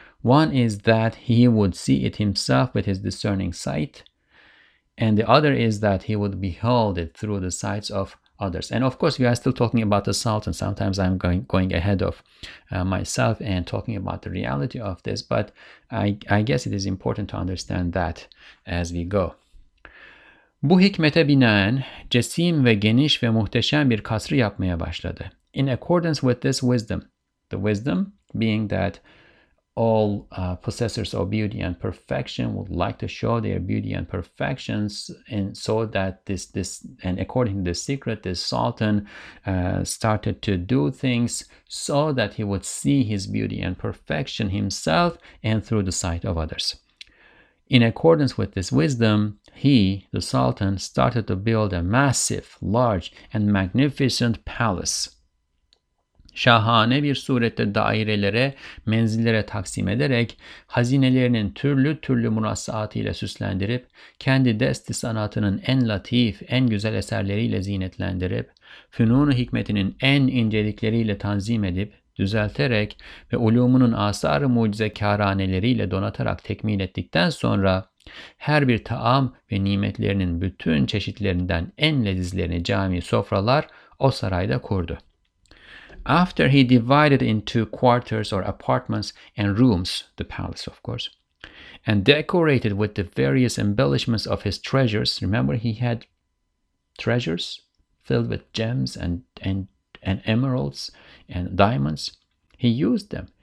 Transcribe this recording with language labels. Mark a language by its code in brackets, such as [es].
[en] One is that he would see it himself with his discerning sight, and the other is that he would behold it through the sights of others. And of course, we are still talking about the Sultan. Sometimes I'm going ahead of myself and talking about the reality of this, but I guess it is important to understand that as we go. [tr] Bu hikmete binaen cesim ve geniş ve muhteşem bir kasrı yapmaya başladı. [en] In accordance with this wisdom, the wisdom being that all possessors of beauty and perfection would like to show their beauty and perfections, and so that this and according to the secret, the Sultan started to do things so that he would see his beauty and perfection himself and through the sight of others. In accordance with this wisdom, he, the Sultan, started to build a massive, large, and magnificent palace. [tr] Şahane bir surette dairelere, menzillere taksim ederek, hazinelerinin türlü türlü murassaatıyla süslendirip, kendi desti sanatının en latif, en güzel eserleriyle zinetlendirip, fünun-u hikmetinin en incelikleriyle tanzim edip, düzelterek ve ulumunun asar-ı mucizekâraneleriyle donatarak tekmil ettikten sonra, her bir taam ve nimetlerinin bütün çeşitlerinden en lezizlerini cami sofralar o sarayda kurdu. [en] After he divided into quarters or apartments and rooms, the palace, of course, and decorated with the various embellishments of his treasures. Remember, he had treasures filled with gems and emeralds and diamonds. He used them.